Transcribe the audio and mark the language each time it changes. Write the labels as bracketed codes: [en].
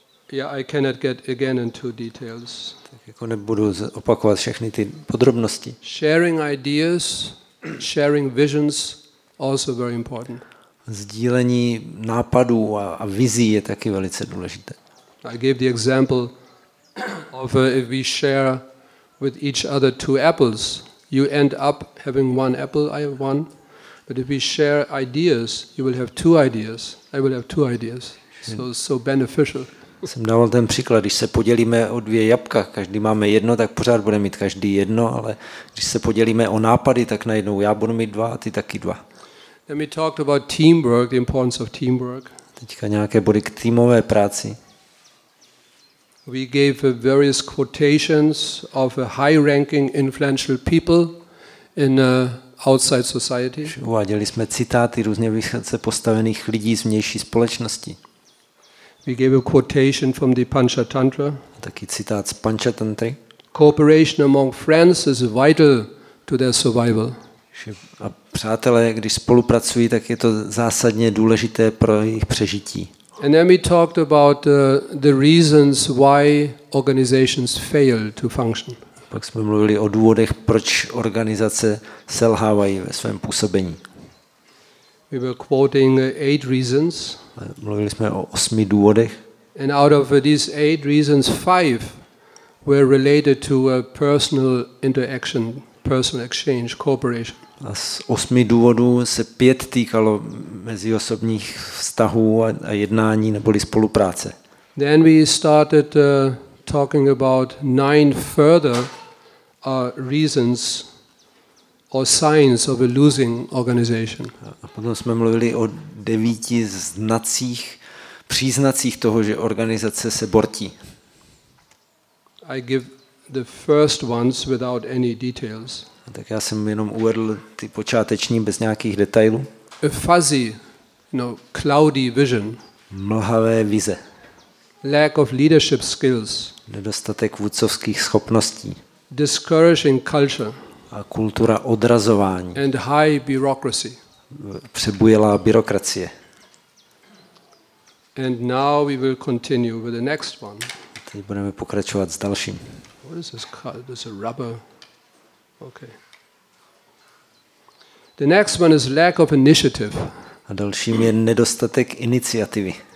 [en] I cannot get again into details. [cs] Tak jako nebudu opakovat všechny ty podrobnosti. [en] Sharing ideas. Sharing visions also very important. [cs] Sdílení nápadů a vizí je taky velice důležité. [en] I gave the example of if we share with each other two apples, you end up having one apple, I have one. But if we share ideas, you will have two ideas, I will have two ideas. So beneficial. [cs] Jsem dával ten příklad, když se podělíme o dvě jabka, každý máme jedno, tak pořád bude mít každý jedno, ale když se podělíme o nápady, tak najednou já budu mít dva a ty taky dva. [en] Then we talked about teamwork, the importance of teamwork. [cs] Teďka nějaké body k týmové práci. [en] We gave various quotations of high-ranking influential people in outside society. [cs] Uváděli jsme citáty různě vysoce postavených lidí z vnější společnosti. [en] We gave a quotation from the Panchatantra. [cs] Taky citát z Panchatantry. [en] Cooperation among friends is vital to their survival. [cs] A přátelé, když spolupracují, tak je to zásadně důležité pro jejich přežití. [en] And then we talked about the reasons why organizations fail to function. [cs] Pak jsme mluvili o důvodech, proč organizace selhávají ve svém působení. [en] We were quoting 8 reasons. [cs] Mluvili jsme o 8 důvodech. [en] And out of these 8 reasons, 5 were related to a personal interaction, personal exchange, cooperation. [cs] A z 8 důvodů se 5 týkalo meziosobních vztahů a jednání neboli spolupráce. [en] Then we started talking about 9 further reasons or signs of a losing organization. [cs] A potom jsme mluvili o 9 znacích, příznacích toho, že organizace se bortí. [en] I give the first ones without any details. [cs] Tak já jsem jenom uvedl ty počáteční bez nějakých detailů. [en] A fuzzy, cloudy vision. [cs] Mlhavé vize. [en] Lack of leadership skills. [cs] Nedostatek vůdcovských schopností. [en] Discouraging culture. [cs] A kultura odrazování. [en] And high bureaucracy. [cs] Přebujelá byrokracie. [en] And now we will continue with the next one. [cs] Teď budeme pokračovat s dalším. [en] What is this called? This is a rubber. Okay. The next one is lack of initiative. [cs] A dalším je nedostatek iniciativy.